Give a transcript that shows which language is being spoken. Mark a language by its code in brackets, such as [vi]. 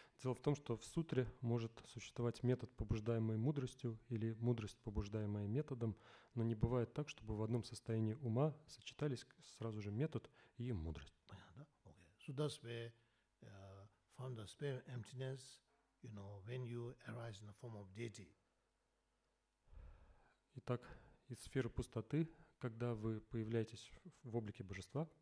[ru] Дело в том, что в сутре может существовать метод, побуждаемый мудростью, или мудрость, побуждаемая методом, но не бывает так, чтобы в одном состоянии ума сочетались сразу же метод и мудрость. Понятно? Okay. [en] So that's where from the spare emptiness, you know, when you arise in the form of deity. [ru] Итак, из сферы пустоты, когда вы появляетесь в облике божества.